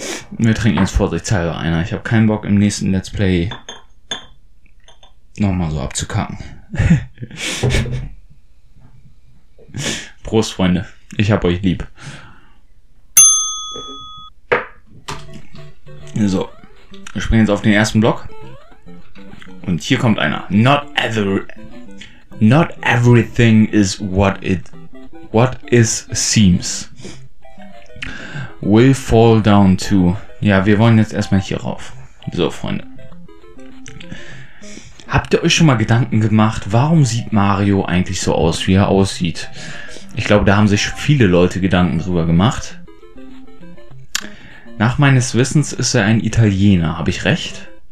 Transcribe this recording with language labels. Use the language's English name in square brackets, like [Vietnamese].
[German] Wir trinken jetzt vorsichtshalber einer. Ich habe keinen Bock, im nächsten Let's Play nochmal so abzukacken. Prost, Freunde. Ich hab euch lieb. So. Wir springen jetzt auf den ersten Block. Und hier kommt einer. [English] Not everything is what it seems. Will fall down too. [German] Ja, wir wollen jetzt erstmal hier rauf. So, Freunde. Habt ihr euch schon mal Gedanken gemacht, warum sieht Mario eigentlich so aus, wie er aussieht? Ich glaube, da haben sich viele Leute Gedanken drüber gemacht. Nach meines Wissens ist er ein Italiener. Habe ich recht?